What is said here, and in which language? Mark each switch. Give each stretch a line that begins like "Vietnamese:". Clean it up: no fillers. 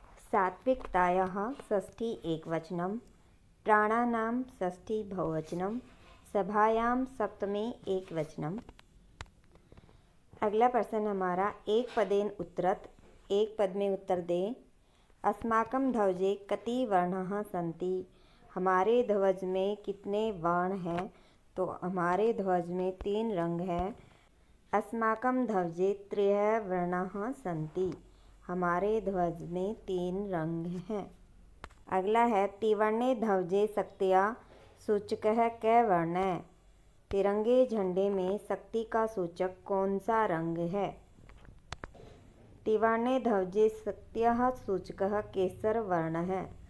Sanskrit: सात्विकतायाः, षष्ठी एकवचनम। प्राणानाम, षष्ठी बहुवचनम। सभायाम, सप्तमी एकवचनम।
Hindi: अगला प्रश्न हमारा,
Sanskrit: एक पदेन उत्तरत,
Hindi: एक पद में उत्तर दें।
Sanskrit: अस्माकं ध्वजे कति वर्णाः सन्ति।
Hindi: हमारे ध्वज में कितने वर्ण हैं, तो हमारे ध्वज में तीन रंग हैं।
Sanskrit: अस्माकं ध्वजे त्रयः वर्णाः सन्ति।
Hindi: हमारे ध्वज में तीन रंग हैं। अगला है,
Sanskrit: त्रिवर्णे ध्वजे शक्त्या सूचकः कः वर्णः।
Hindi: तिरंगे झंडे में शक्ति का सूचक कौन सा रंग है।
Sanskrit: तिवर्णे ध्वजे शक्त्या सूचक केसर वर्ण है।